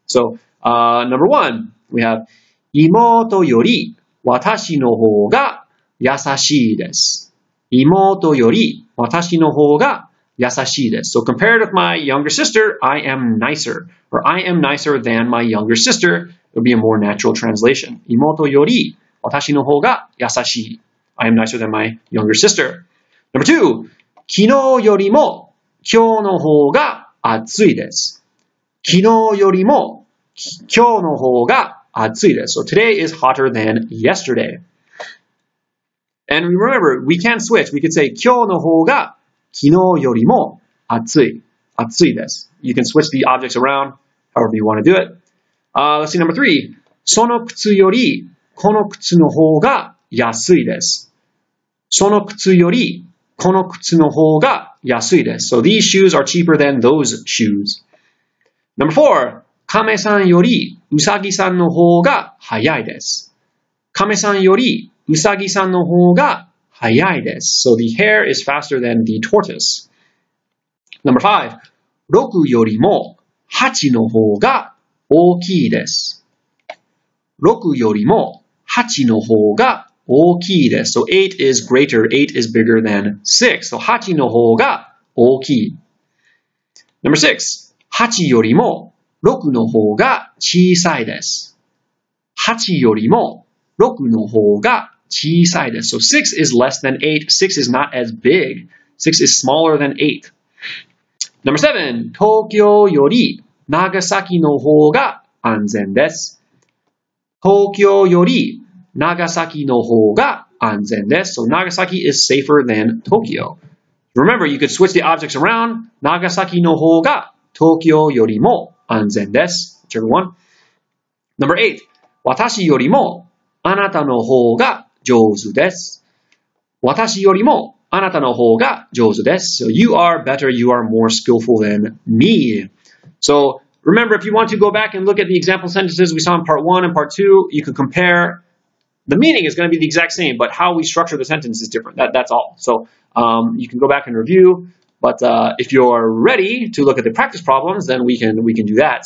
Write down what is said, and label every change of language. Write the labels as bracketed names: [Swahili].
[English] So number one, we have [Japanese] 妹より私の方が優しいです。妹より私の方が優しいです。 [English] So compared with my younger sister, I am nicer. Or I am nicer than my younger sister. It would be a more natural translation. [Japanese] 妹より私の方が優しい。 [English] I am nicer than my younger sister. Number two. [Japanese] 昨日よりも今日の方が暑いです。昨日よりも今日の方が暑いです。 [English] So today is hotter than yesterday. And remember, we can't switch. We could say [Japanese] 今日の方が昨日よりも暑いです。 [English] You can switch the objects around however you want to do it. Let's see number three. [Japanese] その靴よりこの靴の方が安いです。その靴よりこの靴の方が安いです。 [English] So these shoes are cheaper than those shoes. Number four. [Japanese] カメさんよりウサギさんの方が早いです。カメさんよりウサギさんの方が早いです。 [English] So the hare is faster than the tortoise. Number five. [Japanese] 六よりも八の方が大きいです。六よりも八の方が大きいです。 [English] So eight is greater. Eight is bigger than six. So [Japanese] 八の方が大きい。 [English] Number six. [Japanese] 八よりも6の方が小さいです。 8よりも6の方が小さいです。 [English] So 6 is less than 8. 6 is not as big. 6 is smaller than 8. Number 7. [Japanese] 東京より長崎の方が安全です。東京より長崎の方が安全です。 [English] So 長崎 is safer than Tokyo. Remember, you could switch the objects around. [Japanese] 長崎の方が東京よりも安全です。 [English] Whichever one. Number eight. 私よりもあなたの方が上手です。私よりもあなたの方が上手です。 So you are better, you are more skillful than me. So remember, if you want to go back and look at the example sentences we saw in part one and part two, you can compare. The meaning is going to be the exact same, but how we structure the sentence is different. That's all. So you can go back and review. But if you're ready to look at the practice problems, then we can do that.